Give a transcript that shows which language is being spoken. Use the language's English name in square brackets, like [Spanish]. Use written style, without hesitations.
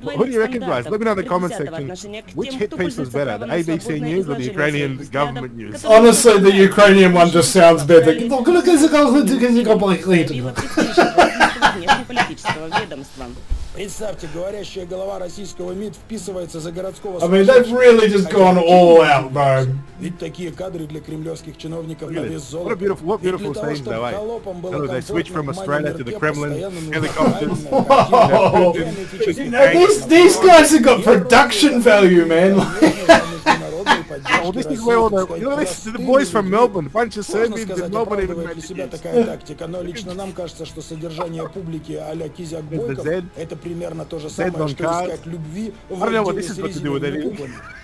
[Russian] двойных стандартов отношения к тем, кто пользуется правом на свободное изложение своих взглядов. [English] Honestly, the Ukrainian one just sounds better. [Russian] Представьте, говорящая голова российского МИД вписывается за городского... [English] I mean, they've really just gone all out, bro. [Russian] Ведь такие кадры для кремлевских чиновников на вес золота. [English] What a beautiful, thing, by the way. They switch from Australia to the Kremlin. These guys have got production value, man. Well, this is where all the... You know, this is the boys from Melbourne. A bunch of Serbians in Melbourne even made [Russian] себя такая тактика, но лично нам кажется, что содержание публики а-ля Кизяк Бойков это примерно то же самое, что искать любви в отделе с резиной в Кубане.